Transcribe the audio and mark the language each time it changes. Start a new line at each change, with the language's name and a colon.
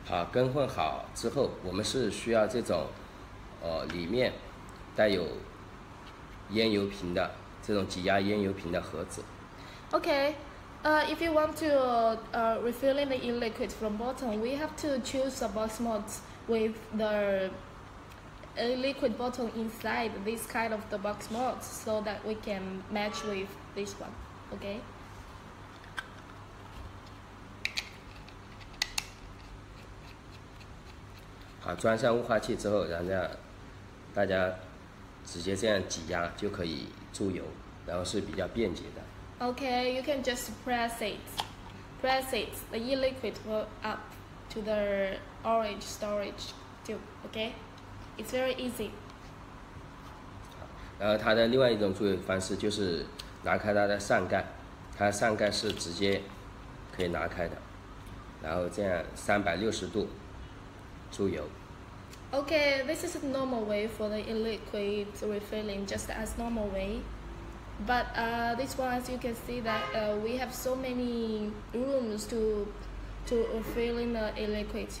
Chinese: 更换好之后，我们是需要这种里面带有烟油瓶的这种挤压烟油瓶的盒子。
English: Okay. If you want to refill in the e-liquid from bottom, we have to choose a box mode with the e-liquid bottle inside this kind of the box mode so that we can match with this one, okay?
Chinese: Okay, 装上雾化器之后，然后大家直接这样挤压就可以注油，然后是比较便捷的。
English: Okay, you can just press it. Press it. The e-liquid will up to the orange storage tube. Okay? It's very easy.
Chinese: 然后它的另外一种处理方式就是拿开它的上盖，它上盖是直接可以拿开的，然后这样360度注油。
English: Okay, this is the normal way for the liquid refilling, just as normal way. But this one, as you can see, that we have so many rooms to refill in the liquids.